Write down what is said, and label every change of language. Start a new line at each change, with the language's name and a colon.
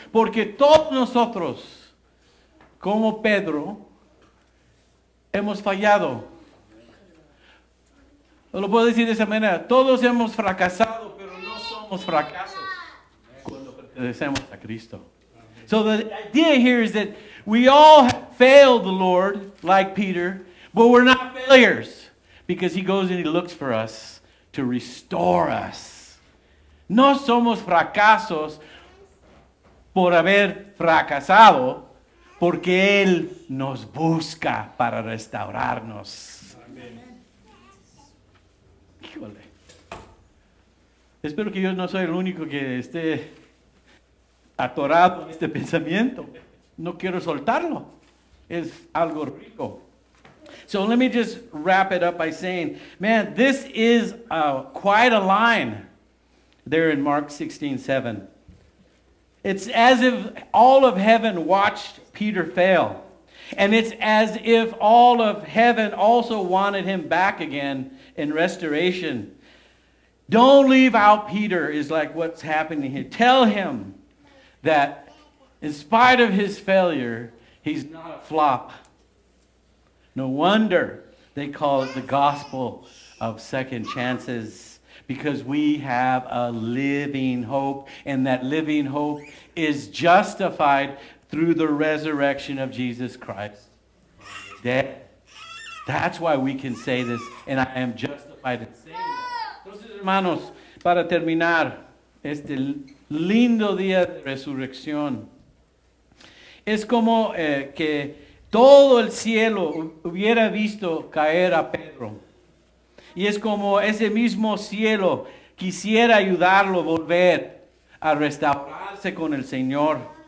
Spanish: Porque todos nosotros, como Pedro, hemos fallado. Lo puedo decir de esa manera. Todos hemos fracasado, pero no somos fracasos cuando pertenecemos a Cristo.
English: So the idea here is that we all failed the Lord, like Peter, but we're not failures because he goes and he looks for us to restore us.
Spanish: No somos fracasos por haber fracasado, porque Él nos busca para restaurarnos. Espero que yo no soy el único que esté atorado en este pensamiento. No quiero soltarlo. Es algo rico.
English: So let me just wrap it up by saying, man, this is quite a line there in Mark 16:7. It's as if all of heaven watched Peter fail. And it's as if all of heaven also wanted him back again in restoration. Don't leave out Peter is like what's happening here. Tell him that in spite of his failure, he's not a flop. No wonder they call it the gospel of second chances, because we have a living hope, and that living hope is justified through the resurrection of Jesus Christ. Dead. That's why we can say this, and I am justified in saying it.
Spanish: Hermanos, para terminar este lindo día de resurrección, es como que todo el cielo hubiera visto caer a Pedro. Y es como ese mismo cielo quisiera ayudarlo a volver a restaurarse con el Señor.